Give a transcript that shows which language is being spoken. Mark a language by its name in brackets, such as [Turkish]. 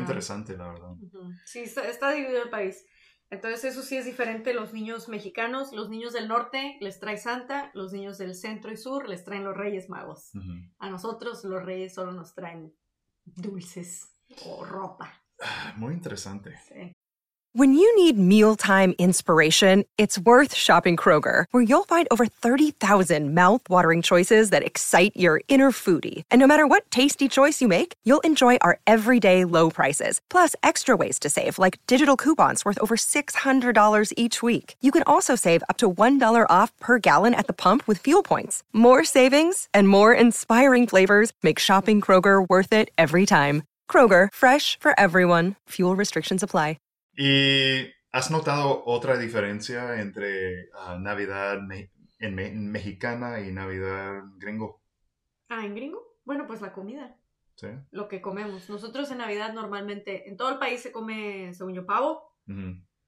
[Spanish] Interesante, la verdad. Uh-huh. Sí, está dividido el país. Entonces, eso sí es diferente. Los niños mexicanos, los niños del norte les trae Santa, los niños del centro y sur les traen los Reyes Magos. Uh-huh. A nosotros los Reyes solo nos traen dulces. Muy interesante. [English] When you need mealtime inspiration, it's worth shopping Kroger, where you'll find over 30,000 mouthwatering choices that excite your inner foodie. And no matter what tasty choice you make, you'll enjoy our everyday low prices, plus extra ways to save, like digital coupons worth over $600 each week. You can also save up to $1 off per gallon at the pump with fuel points. More savings and more inspiring flavors make shopping Kroger worth it every time. Kroger, fresh for everyone. Fuel restrictions apply. [Spanish] ¿Y has notado otra diferencia entre Navidad en mexicana y Navidad gringo? Ah, ¿en gringo? Bueno, pues la comida. Sí. Lo que comemos. Nosotros en Navidad normalmente, en todo el país se come, según yo, pavo. Uh-huh.